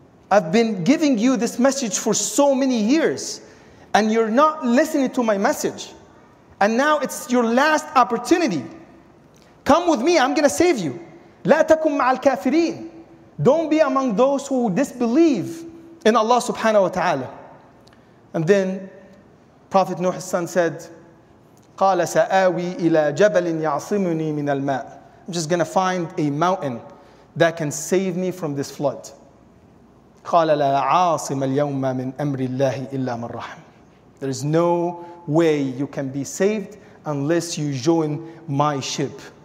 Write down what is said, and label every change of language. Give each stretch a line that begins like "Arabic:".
English: I've been giving you this message for so many years and you're not listening to my message. And now it's your last opportunity. Come with me, I'm going to save you.
Arabic: لا تكن مع الكافرين.
English: Don't be among those who disbelieve in Allah subhanahu wa ta'ala. And then Prophet Nuh's son said,
Arabic: قَالَ سَآوِي إِلَى جَبَلٍ يَعْصِمُنِي مِنَ الْمَاءِ.
English: I'm just going to find a mountain that can save me from this flood.
Arabic: قَالَ لَا عَاصِمَ الْيَوْمَ مِنْ أَمْرِ اللَّهِ إِلَّا مَنْ رَحِمٍ.
English: There is no way you can be saved unless you join my ship.